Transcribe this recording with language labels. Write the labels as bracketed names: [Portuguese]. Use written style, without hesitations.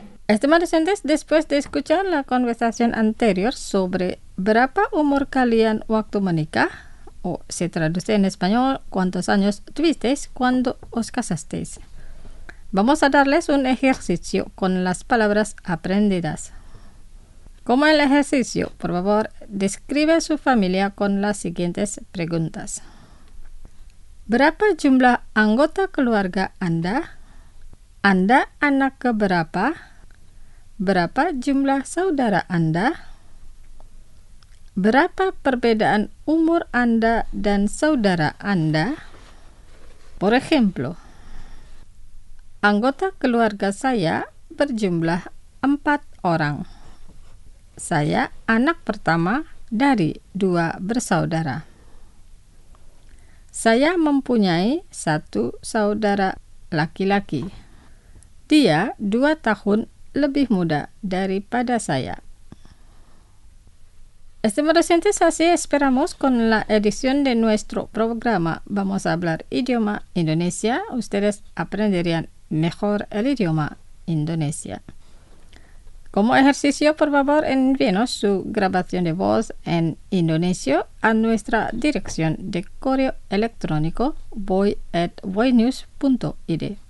[Spanish] Estimados oyentes, después de escuchar la conversación anterior sobre [Indonesian] berapa umur kalian waktu menikah, [Spanish] o se traduce en español, ¿cuántos años tuvisteis cuando os casasteis? Vamos a darles un ejercicio con las palabras aprendidas. Como el ejercicio, por favor, describe su familia con las siguientes preguntas. [Indonesian] ¿Berapa jumlah anggota keluarga Anda? ¿Anda anak keberapa? Berapa jumlah saudara Anda? Berapa perbedaan umur Anda dan saudara Anda? [Spanish] Por ejemplo, [Indonesian] anggota keluarga saya berjumlah 4 orang. Saya anak pertama dari 2 bersaudara. Saya mempunyai 1 saudara laki-laki. Dia 2 tahun lebih muda daripada saya. [Spanish] Estimados oyentes, así esperamos con la edición de nuestro programa Vamos a hablar idioma Indonesia. Ustedes aprenderían mejor el idioma Indonesia. Como ejercicio, por favor, envíenos su grabación de voz en indonesio a nuestra dirección de correo electrónico voy@voynews.id.